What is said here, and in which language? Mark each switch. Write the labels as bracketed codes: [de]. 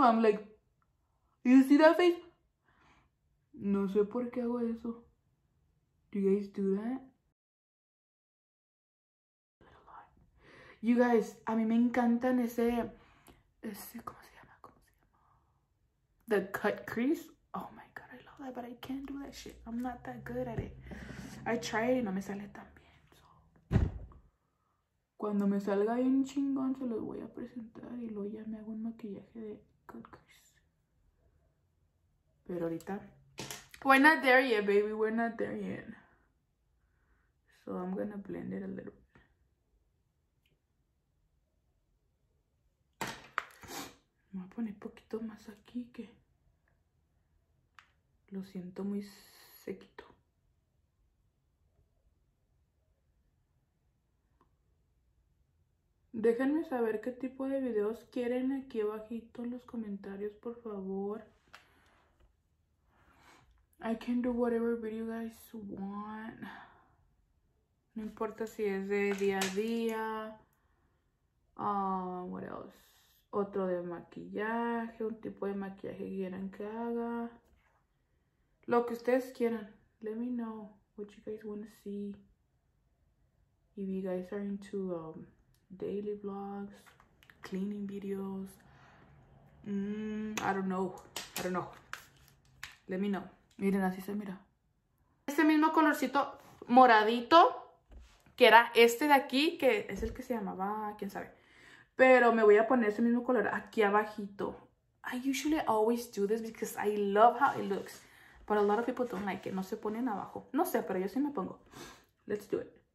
[en] I'm like, you see that face? [es] No sé por qué hago eso. [en] Do you guys do that? You guys, [es] a mí me encantan ese, ese, ¿cómo se llama? ¿Cómo se llama? The cut crease. [en] Oh my god, I love that, but I can't do that shit. I'm not that good at it. I try it [es] y no me sale tan bien. So, cuando me salga bien chingón, se los voy a presentar y luego ya me hago un maquillaje de cut crease. Pero ahorita, [en] we're not there yet, baby, we're not there yet. So I'm gonna blend it a little. [es] Me voy a poner poquito más aquí que lo siento muy sequito. Déjenme saber qué tipo de videos quieren aquí abajito en los comentarios, por favor. [en] I can do whatever video you guys want. [es] No importa si es de día a día. [en] What else? [es] Otro de maquillaje, un tipo de maquillaje que quieran que haga. Lo que ustedes quieran. [en] Let me know what you guys want to see. If you guys are into daily vlogs, cleaning videos. I don't know. I don't know. Let me know. [es] Miren, así se mira. Este mismo colorcito moradito, que era este de aquí, que es el que se llamaba, quién sabe. Pero me voy a poner ese mismo color aquí abajito. [en] I usually always do this because I love how it looks. But a lot of people don't like it. [es] No se ponen abajo. No sé, pero yo sí me pongo. [en] Let's do it.